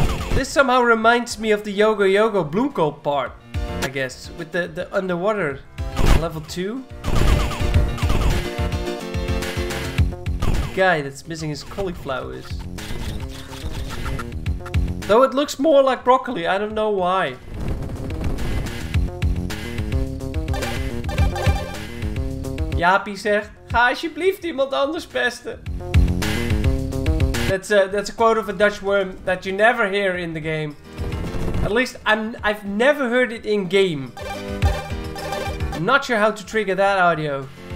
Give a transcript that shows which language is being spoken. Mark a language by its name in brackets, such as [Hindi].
[English] This somehow reminds me of the Yogo Yogo Bloomkop part, I guess, with the underwater level 2. Guy that's missing his cauliflowers. Though it looks more like broccoli, I don't know why. [Dutch] Jaapie zegt, ga alsjeblieft iemand anders pesten. [English] That's a quote of a Dutch worm that you never hear in the game. At least I've never heard it in game. I'm not sure how to trigger that audio.